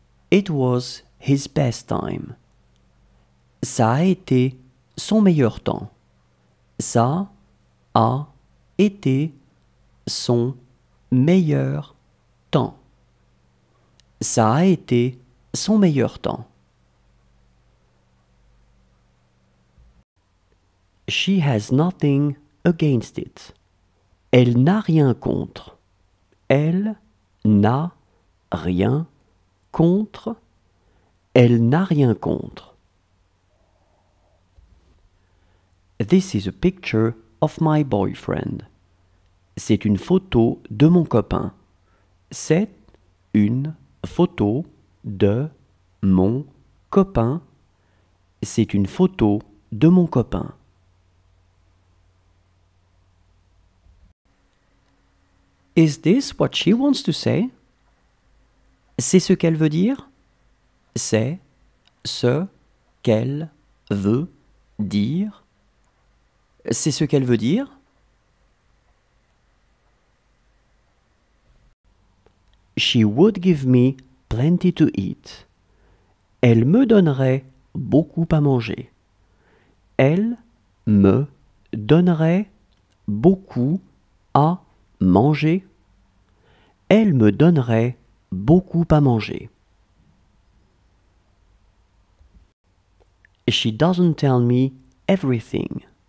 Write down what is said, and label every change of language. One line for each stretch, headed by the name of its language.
English: It was his best time.
French: Ça a été son meilleur temps. Ça a été son meilleur temps. Ça a été son meilleur temps.
English: She has nothing against it.
French: Elle n'a rien contre. Elle n'a rien contre. Elle n'a rien contre.
English: This is a picture of my boyfriend.
French: C'est une photo de mon copain. C'est une photo de mon copain. C'est une photo de mon copain.
English: Is this what she wants to say?
French: C'est ce qu'elle veut dire? C'est ce qu'elle veut dire? C'est ce qu'elle veut dire?
English: She would give me plenty to eat.
French: Elle me donnerait beaucoup à manger. Elle me donnerait beaucoup à manger. Elle me donnerait beaucoup à manger.
English: She doesn't tell me everything.